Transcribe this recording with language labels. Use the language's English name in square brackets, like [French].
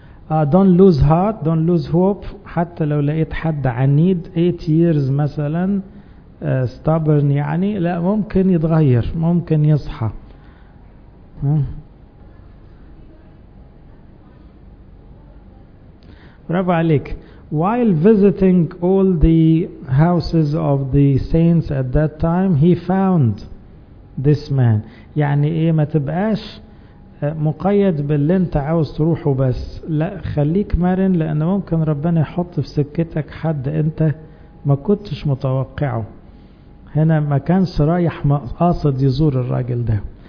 [English] don't lose heart, don't lose hope. [Arabic] حتى لو لقيت حد عنيد [English] 8 years [Arabic] مثلا stubborn، يعني لا، ممكن يتغير، ممكن يصحى. برافو عليك. [English] While visiting all the houses of the saints at that time he found this man. [Arabic] يعني ايه؟ ما تبقاش مقيد باللي انت عاوز تروحه بس، لا، خليك مرن، لان ممكن ربنا يحط في سكتك حد انت ما كنتش متوقعه. هنا ما كانش رايح قاصد يزور الراجل ده.